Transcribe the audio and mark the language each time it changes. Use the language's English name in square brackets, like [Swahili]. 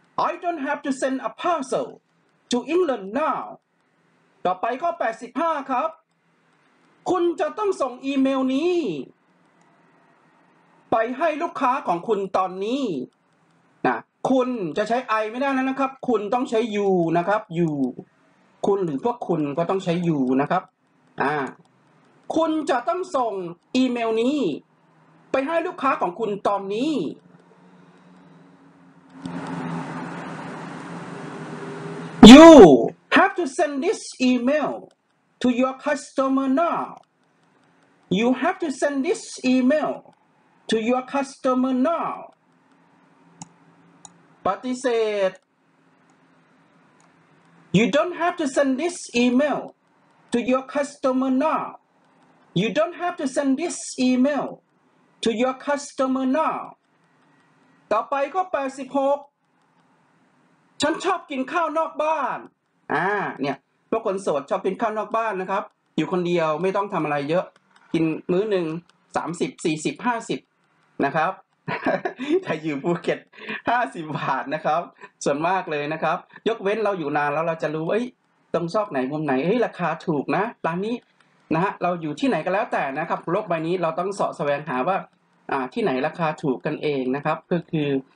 [English] I don't have to send a parcel to England now. [Thai] ต่อไปข้อ85ครับคุณจะต้องส่งอีเมลนี้ไปให้ลูกค้าของคุณตอนนี้นะคุณจะใช้ I ไม่ได้แล้วนะครับคุณต้องใช้ you นะครับ you คุณหรือพวกคุณก็ต้องใช้ you นะครับ คุณจะต้องส่งอีเมลนี้ไปให้ลูกค้าของคุณตอนนี้ [English] You have to send this email to your customer now. You have to send this email to your customer now. ปฏิเสธ You don't have to send this email to your customer now. You don't have to send this email to your customer now. [Thai] ต่อไปก็86ฉันชอบกินข้าวนอกบ้านเนี่ยพวกคนโสดชอบกินข้าวนอกบ้านนะครับอยู่คนเดียวไม่ต้องทำอะไรเยอะกินมื้อหนึ่ง30 40 50นะครับ ถ้าอยู่ภูเก็ต50บาทนะครับส่วนมากเลยนะครับยกเว้นเราอยู่นานแล้วเราจะรู้เอ้ยตรงซอกไหนมุมไหนเฮ้ยราคาถูกนะร้านนี้นะฮะเราอยู่ที่ไหนก็แล้วแต่นะครับโลกใบนี้เราต้องเสาะแสวงหาว่าที่ไหนราคาถูกกันเองนะครับก็คือ